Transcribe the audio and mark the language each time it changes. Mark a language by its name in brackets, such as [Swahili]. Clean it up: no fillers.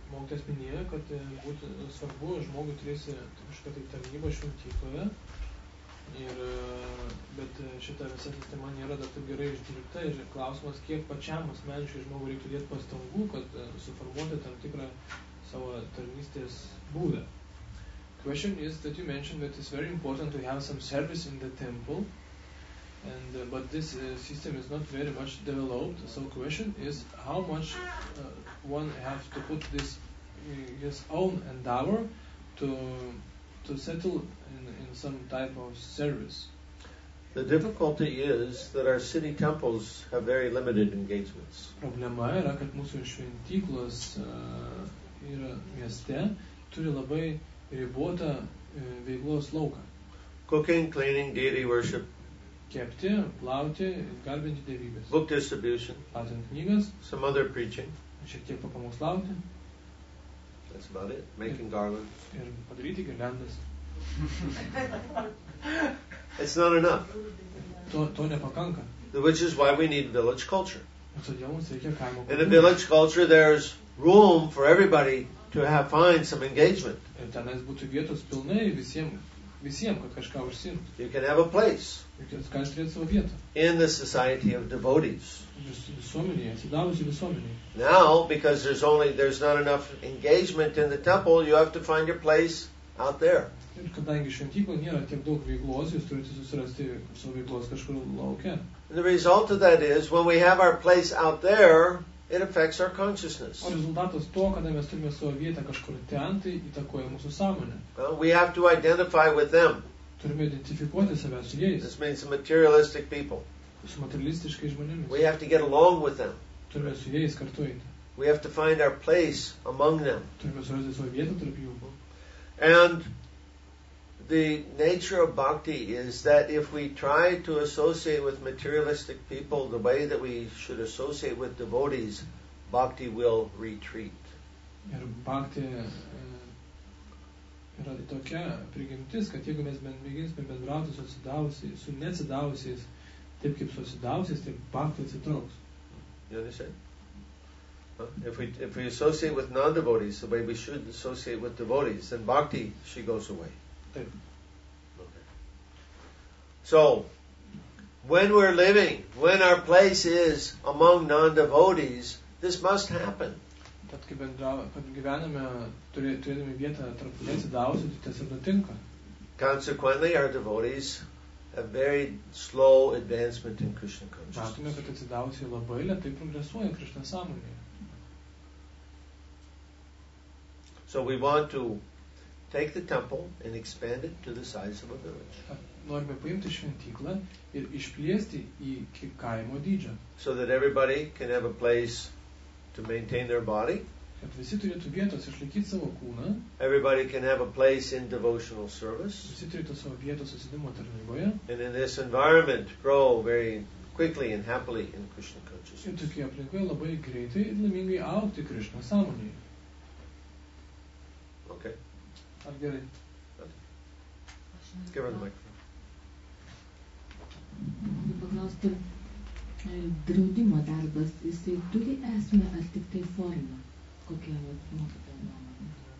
[Lithuanian] Kas minėjo, kad būtų svarbu, žmogui turėsi kažką tai tarnybą šventykloje. Ir, bet šita visa sistema nėra dar taip gerai išdirbta. Ir klausimas, kiek pačiam asmeniškai žmogui reikia dėti pastangų, kad suformuoti tam tikrą savo tarnystės būdą. [English] Question is that you mentioned that it's very important to have some service in the temple. And but this system is not very much developed. So question is how much one have to put this his own endeavor to settle in some type of service. The difficulty is that our city temples have very limited engagements. [Lithuanian] Problema yra, kad mūsų šventyklos yra mieste, turi labai ribotą veiklos lauką. [English] Cooking, cleaning, deity worship. [Lithuanian] Kepti, plauti, garbinti dievybės. [English] Book distribution. [Lithuanian] Platinti knygas. [English] Some other preaching. [Lithuanian] Šiek tiek papamokslauti. [English] That's about it. Making garlands. [Lithuanian] Ir padaryti girlandas. [English] It's not enough. [Lithuanian] To nepakanka. [English] Which is why we need village culture. [Lithuanian] Todėl mums reikia kaimo kultūros. [English] In a village culture, there's room for everybody to have find some engagement. [Lithuanian] Ir tenais būtų vietos pilnai visiem, kad kažką užsiimt. [English] You can have a place. [Lithuanian] Jūs galite turėti savo vietą. [English] In the society of devotees. [Lithuanian] Visuomenėje, atsidavusi visuomenėje. [English] Now, because there's not enough engagement in the temple, you have to find your place out there. [Lithuanian] Ir kadangi šventyklo nėra tiek daug veiklos, jūs turite susirasti savo veiklos kažkur lauke. [English] And the result of that is, when we have our place out there, it affects our consciousness. [Lithuanian] O rezultatas to, kada mes turime savo vietą kažkur ten, tai įtakoja mūsų sąmonę. [English] We have to identify with them. [Lithuanian] Turime identifikuoti save su jais. [English] This means materialistic people. [Lithuanian] Su materialistiškais žmonėmis. [English] We have to get along with them. [Lithuanian] Turime su jais kartu eiti. [English] We have to find our place among them. [Lithuanian] Turime surasti savo vietą tarp jų. [English] And the nature of bhakti is that if we try to associate with materialistic people the way that we should associate with devotees, bhakti will retreat. [Lithuanian] Ir bhakti yra tokia prigimtis, kad jeigu mes mėginsime bendrauti su neatsidavusiais, taip kaip susidavusiais, taip bhakti atsitrauks. [English] You understand? If we associate with non-devotees the way we should associate with devotees, then bhakti, she goes away. Okay. So, when we're living, when our place is among non-devotees, this must happen. [Lithuanian] Bet kai gyvename, turėdami vietą tarp atsidavusių, tai tas ir nutinka. [English] Consequently, our devotees have very slow advancement in Krishna consciousness. [Lithuanian] Matome, kad atsidavusiai labai lėtai progresuoja Krishna sąmonėje. [English] So we want to take the temple and expand it to the size of a village. [Lithuanian] Norime paimti šventyklą ir išplėsti į kaimo dydžio. [English] So that everybody can have a place to maintain their body. [Lithuanian] Kad visi turėtų vietos išlaikyti savo kūną. [English] Everybody can have a place in devotional service. [Lithuanian] Visi turėtų savo vietos susitikimo tarnyboje. [English] And in this environment grow very quickly and happily in Krishna consciousness. [Lithuanian] Ir tokioje aplinkoje labai greitai ir laimingai augti Krishna sąmonėje. [English] Okay. I'll get it. Give her the microphone. [Lithuanian] Paklausti, draudimo darbas, jisai turi esmę ar tik tai formą, kokia mokytojo nuomonė.